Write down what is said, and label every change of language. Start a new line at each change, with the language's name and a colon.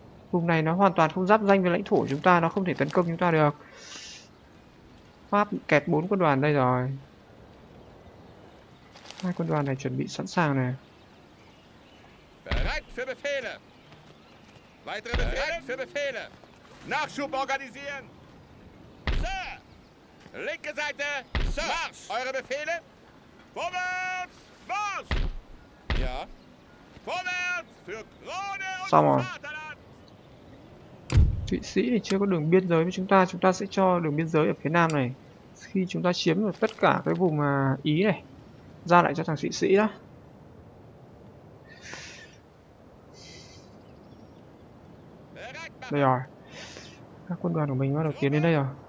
Vietnamese: Vùng này nó hoàn toàn không giáp danh với lãnh thổ chúng ta. Nó không thể tấn công chúng ta được. Pháp kẹt 4 quân đoàn đây rồi. Hai quân đoàn này chuẩn bị sẵn sàng này.
German: Bereit für Befehle. Weitere Befehle für Befehle. Nachschub organisieren. Sir. Linke Seite. Sir. Marsch. Eure Befehle. Vorwärts. Marsch. Ja. Vorwärts für Krone und Vaterland.
Vietnamese: Thụy Sĩ thì chưa có đường biên giới với chúng ta sẽ cho đường biên giới ở phía Nam này. Khi chúng ta chiếm được tất cả cái vùng Ý này. Ra lại cho thằng Thụy Sĩ đó. Đây rồi. Các quân đoàn của mình bắt đầu tiến đến đây rồi.